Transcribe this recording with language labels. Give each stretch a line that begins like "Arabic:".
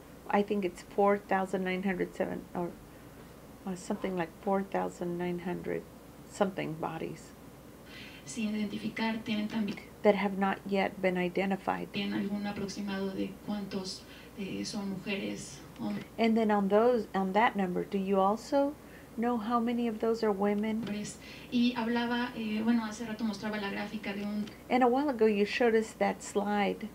English: I think it's 4,907 or something like 4,900 something bodies.
Spanish: Sin identificar, tienen también
English: that have not yet been identified.
Spanish: ¿Tienen algún aproximado de cuántos son mujeres?
English: And then on those, on that number, do you also know how many of those are women?
Spanish: Y hablaba, bueno, hace rato mostraba la gráfica de un...
English: And a while ago you showed us that slide.